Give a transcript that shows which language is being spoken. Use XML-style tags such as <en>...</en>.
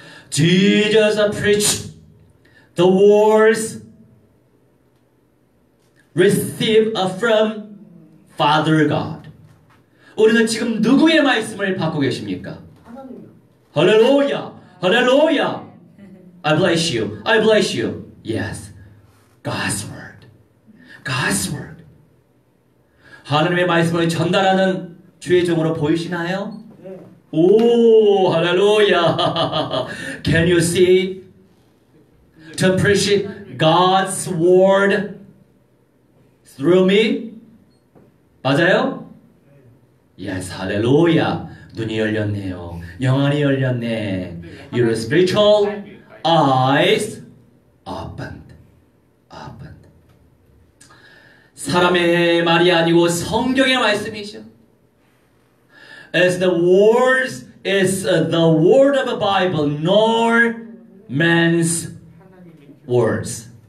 <en>Jesus preached the words received from Father God.</en> <ko>우리는 지금 누구의 말씀을 받고 계십니까?</ko> <en>할렐루야! 할렐루야! I bless you. I bless you. Yes, God's word. God's word.</en> <ko>하나님의 말씀을 전달하는 주의 종으로 보이시나요? 네.</ko> <en>오, 할렐루야. Can you see? To preach God's word through me?</en> <ko>맞아요? Yes, 할렐루야. 눈이 열렸네요. 영안이 열렸네.</ko> <en>Your spiritual eyes. Opened. Opened.</en> <ko>사람의 말이 아니고 성경의 말씀이죠.</ko> <en>is the words is the word of the Bible, nor man's words.</en>